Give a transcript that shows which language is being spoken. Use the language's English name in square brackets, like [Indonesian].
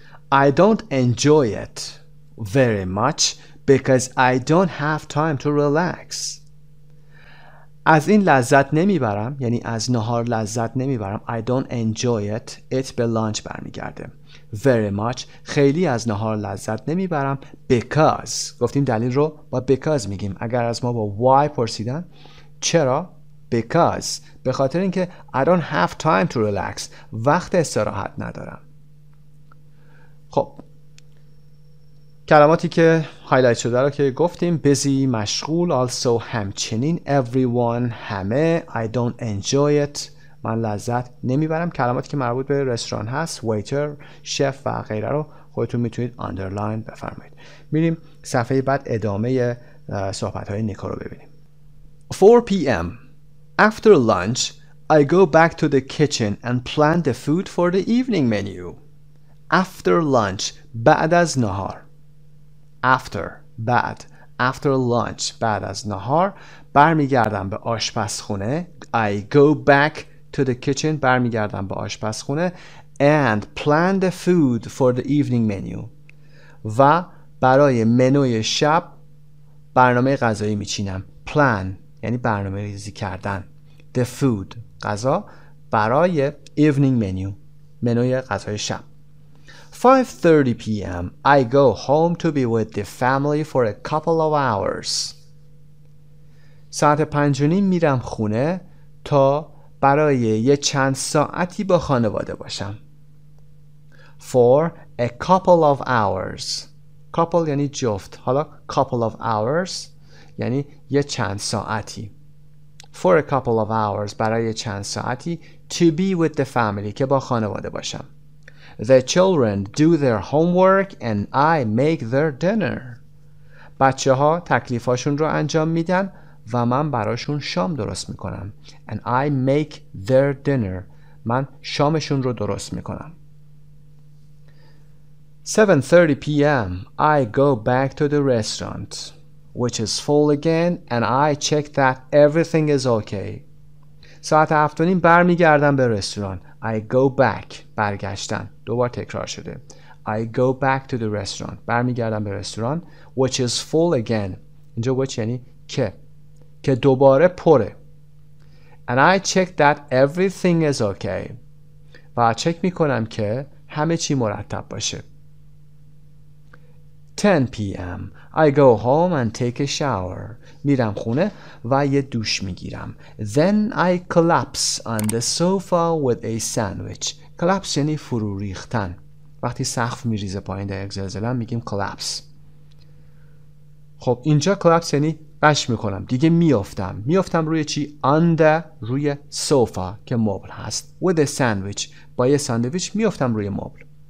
[English] I don't enjoy it very much because I don't have time to relax. [Persian] از این لذت نمیبرم، یعنی از نهار لذت نمیبرم. [English] I don't enjoy it. It [Persian] به [English] lunch [Persian] برمیگرده. [English] Very much. [Persian] خیلی از نهار لذت نمیبرم. [English] Because. [Persian] گفتیم دلیل رو با because میگیم. اگر از ما با why پرسیدن. چرا؟ [English] Because. [Persian] به خاطر اینکه [English] I don't have time to relax. [Persian] وقت استراحت ندارم. خب. کلماتی که هایلایت شده رو که گفتیم. Busy. مشغول. Also. همچنین. Everyone. همه. [English] I don't enjoy it. [Persian] من لذت نمیبرم. کلماتی که مربوط به رستوران هست، waiter، chef و غیره رو خودتون میتونید underline بفرمایید. میریم صفحه بعد ادامه صحبت‌های نیکو رو ببینیم. [English] 4 PM After lunch, I go back to the kitchen and plan the food for the evening menu. After lunch, [Persian] بعد از نهار. After, بعد. [English] After lunch, [Persian] بعد از نهار. برمیگردم به آشپزخونه. [English] I go back to the kitchen, [Persian] برمیگردم به آشپزخونه. [English] And plan the food for the evening menu. [Persian] و برای منوی شب برنامه غذایی میچینم. Plan یعنی برنامه ریزی کردن. [English] The food [Persian] غذا برای [English] evening menu [Persian] منوی غذای شب. [English] 5:30 PM I go home to be with the family for a couple of hours. [Persian] ساعت 5:30 میرم خونه تا برای یه چند ساعتی با خانواده باشم. [English] For a couple of hours. Couple [Persian] یعنی جفت. حالا [English] couple of hours [Persian] یعنی یه چند ساعتی. [English] For a couple of hours [Persian] برای چند ساعتی. [English] To be with the family [Persian] که با خانواده باشم. [English] The children do their homework and I make their dinner. [Persian] بچه ها تکلیفاشون رو انجام میدن و من براشون شام درست میکنم. [English] And I make their dinner. [Persian] من شامشون رو درست میکنم. [English] 7:30 PM I go back to the restaurant, which is full again, and I check that everything is okay. [Persian] ساعت 7:30 برمیگردم به رستوران. [English] I go back. [Persian] برگشتن. دوباره تکرار شده. [English] I go back to the restaurant. [Persian] برمیگردم به رستوران. [English] Which is full again. [Persian] اینجا which یعنی که. که دوباره پره. [English] And I check that everything is okay. [Persian] و چک میکنم که همه چی مرتب باشه. [English] 10 p.m. I go home and take a shower. [Persian] میرم خونه و یه دوش میگیرم. [English] Then I collapse on the sofa with a sandwich. [Persian] Collapse یعنی فرو ریختن. وقتی سقف میریزه پایین در یک زلزله میگیم collapse. خب اینجا collapse یعنی قش میکنم. دیگه میافتم. میافتم روی چی؟ under روی سوفا که مبل هست. [English] With a sandwich. [Persian] با یه ساندویچ میافتم روی مبل.